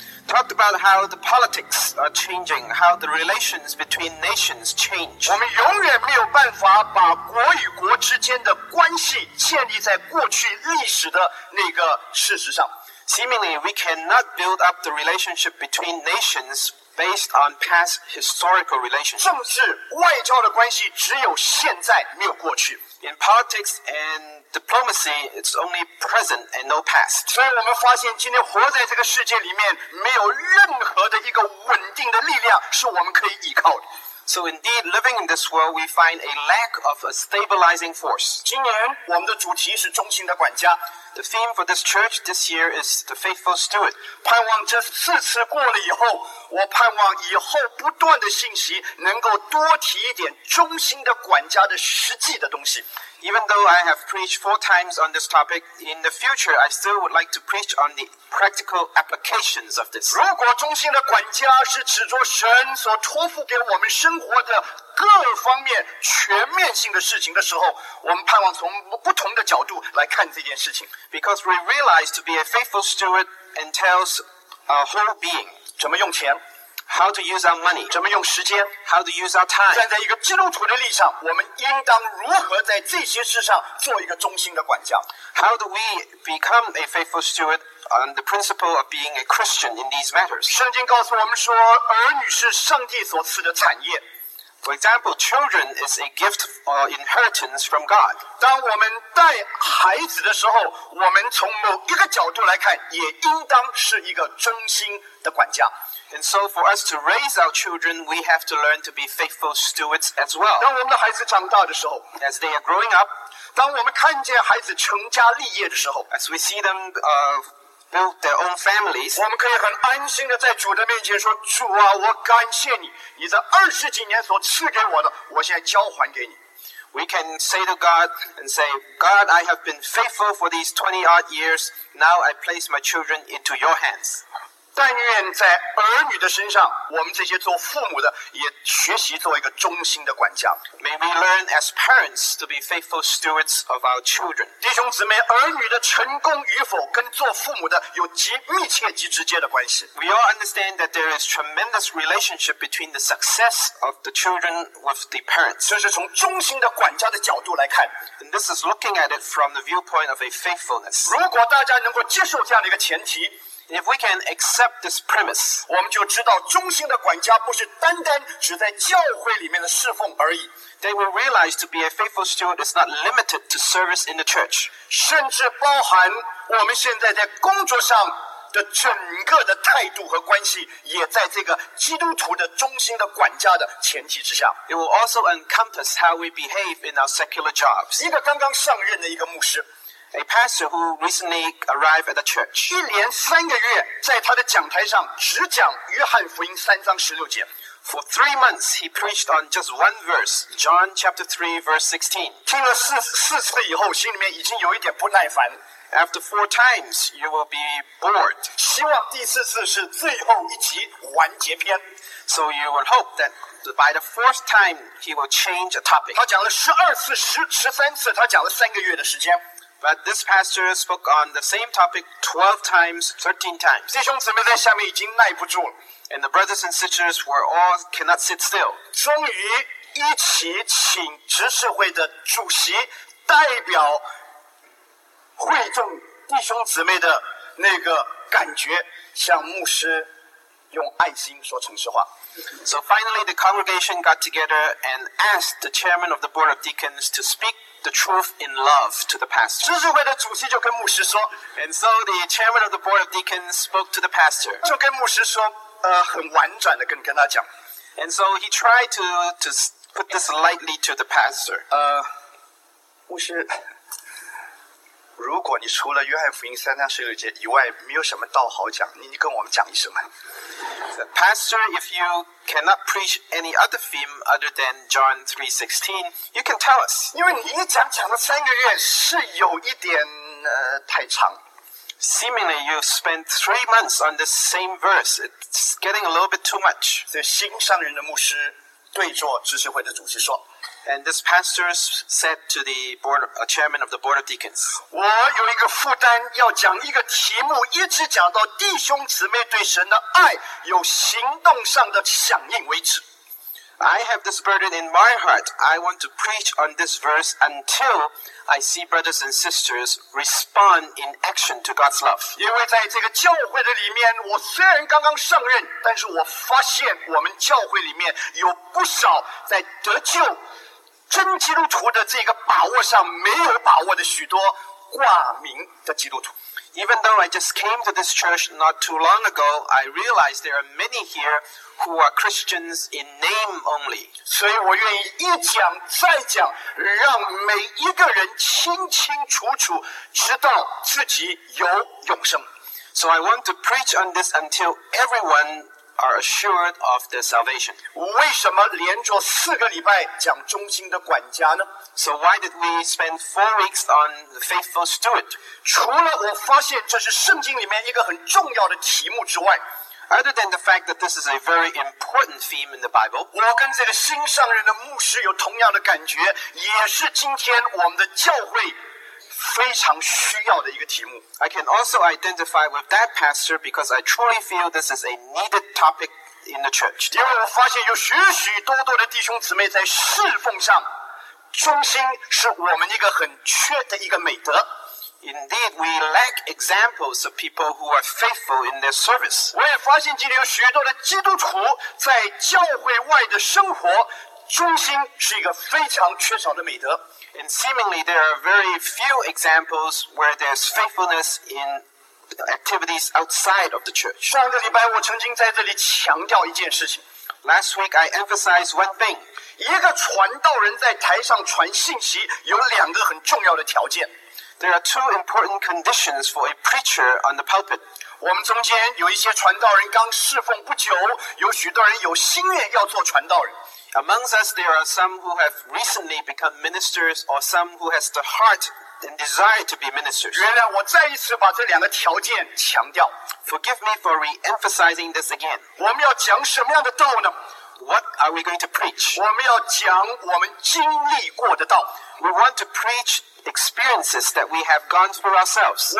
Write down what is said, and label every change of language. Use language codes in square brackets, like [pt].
[en] Talked about how the politics are changing, how the relations between nations change. [zh] 我们永远没有办法把国与国之间的关系建立在过去历史的那个事实上。 [en] Seemingly, we cannot build up the relationship between nations. Based on past historical relationships. [zh] 政治外交的关系只有现在没有过去。 [en] In politics and diplomacy, it's only present and no past. [zh] 所以我们发现今天活在这个世界里面没有任何的一个稳定的力量是我们可以依靠的。 [en] So indeed, living in this world, we find a lack of a stabilizing force. [zh] 今年我们的主题是忠心的管家。 [en] The theme for this church this year is the faithful steward. [zh] 盼望这四次过了以后，我盼望以后不断的信息能够多提一点忠心的管家的实际的东西。 [en] Even though I have preached four times on this topic, in the future, I still would like to preach on the practical applications of this. [zh] 如果忠心的管家是指着神所托付给我们生活的各方面全面性的事情的时候，我们盼望从不同的角度来看这件事情。 [en] Because we realize to be a faithful steward entails a whole being. [zh] 怎么用钱？ [en] How to use our money? [zh] 怎么用时间? [en] How to use our time? [zh] 站在一个基督徒的立场，我们应当如何在这些事上做一个忠心的管家? [en] How do we become a faithful steward on the principle of being a Christian in these matters? [zh] 圣经告诉我们说，儿女是上帝所赐的产业。 [en] For example, children is a gift or inheritance from God. [zh] 当我们带孩子的时候，我们从某一个角度来看，也应当是一个忠心的管家。 [en] And so for us to raise our children, we have to learn to be faithful stewards as well. [zh] 当我们的孩子长大的时候 [en] as they are growing up, [zh] 当我们看见孩子成家立业的时候 [en] as we see them build their own families, [zh] 我们可以很安心地在主的面前说主啊我感谢你你这二十几年所赐给我的我现在交还给你。 [en] We can say to God and say, God, I have been faithful for these 20 odd years, now I place my children into your hands. [zh] 但愿在儿女的身上，我们这些做父母的也学习做一个忠心的管家。 [en] May we learn as parents to be faithful stewards of our children. [zh] 弟兄姊妹，儿女的成功与否跟做父母的有极密切、极直接的关系。 [en] We all understand that there is tremendous relationship between the success of the children with the parents. [zh] 这是从忠心的管家的角度来看。 [en] And this is looking at it from the viewpoint of a faithfulness. [zh] 如果大家能够接受这样的一个前提。 [en] If we can accept this premise, [zh] 我们就知道忠心的管家不是单单只在教会里面的侍奉而已。 [en] They will realize to be a faithful steward is not limited to service in the church. [zh] 甚至包含我们现在在工作上的整个的态度和关系，也在这个基督徒的忠心的管家的前提之下。 [en] It will also encompass how we behave in our secular jobs. [zh] 一个刚刚上任的一个牧师。 [en] A pastor who recently arrived at the church. [zh] 一连三个月在他的讲台上只讲约翰福音三章十六节。 [en] For 3 months, he preached on just one verse, John chapter 3, verse 16. [zh] 听了四次以后，心里面已经有一点不耐烦。 [en] After 4 times, you will be bored. [zh] 希望第四次是最后一集完结篇。 [en] So you will hope that by the 4th time, he will change a topic. [zh] 他讲了十二次、十三次，他讲了三个月的时间。 [en] But this pastor spoke on the same topic 12 times, 13 times. [zh] 弟兄姊妹在下面已经耐不住了。 [en] And the brothers and sisters were all cannot sit still. [zh] 终于一起请执事会的主席代表会众弟兄姊妹的那个感觉向牧师用爱心说诚实话。 [en] So finally the congregation got together and asked the chairman of the board of deacons to speak the truth in love to the pastor. [zh] 执事会的主席就跟牧师说 [en] And so the chairman of the board of deacons spoke to the pastor. [zh] 就跟牧师说很婉转的跟他讲 [en] And so he tried to put this lightly to the pastor. 牧师 [zh] 如果你除了约翰福音三章十六节以外没有什么道好讲，你跟我们讲一声。 [en] Pastor, if you cannot preach any other theme other than John 3:16, you can tell us. [zh] 因为你讲了三个月是有一点太长。 [en] Seemingly, you've spent 3 months on the same verse. It's getting a little bit too much. [zh] 所以新上任的牧师对着执事会的主席说。 [en] And this pastor said to the board, chairman of the board of deacons, [zh] 我有一个负担要讲一个题目，一直讲到弟兄姊妹对神的爱有行动上的响应为止。 [en] I have this burden in my heart. I want to preach on this verse until I see brothers and sisters respond in action to God's love. [zh] 因为在这个教会的里面，我虽然刚刚上任，但是我发现我们教会里面有不少在得救真基督徒的这个把握上没有把握的许多挂名的基督徒。 [en] Even though I just came to this church not too long ago, I realized there are many here who are Christians in name only. [zh] 所以我愿意一讲再讲，让每一个人清清楚楚知道自己有永生。 [en] So I want to preach on this until everyone are assured of their salvation. [zh] 为什么连着四个礼拜讲忠心的管家呢？ [en] So why did we spend 4 weeks on the faithful steward? [zh] 除了我发现这是圣经里面一个很重要的题目之外， [en] other than the fact that this is a very important theme in the Bible, [zh] 我跟这个新上任的牧师有同样的感觉，也是今天我们的教会非常需要的一个题目。 [en] I can also identify with that pastor because I truly feel this is a needed topic in the church. [zh] 因为我发现有许许多多的弟兄姊妹在侍奉上忠心是我们一个很缺的一个美德。 [en] Indeed, we lack examples of people who are faithful in their service. [zh] 我也发现今天有许多的基督徒在教会外的生活忠心是一个非常缺少的美德。 [en] And seemingly there are very few examples where there's faithfulness in activities outside of the church. [zh] 上个礼拜我曾经在这里强调一件事情。 [en] Last week I emphasized one thing. [zh] 一个传道人在台上传信息有两个很重要的条件。 [en] There are two important conditions for a preacher on the pulpit. [zh] 我们中间有一些传道人刚侍奉不久，有许多人有心愿要做传道人。 [en] Amongst us, there are some who have recently become ministers or some who has the heart and desire to be ministers. [zh] 原来我再一次把这两个条件强调。 [en] Forgive me for re-emphasizing this again. [zh] 我们要讲什么样的道呢？ [en] What are we going to preach? [zh] 我们要讲我们经历过的道。 [en] We want to preach experiences that we have gone through ourselves.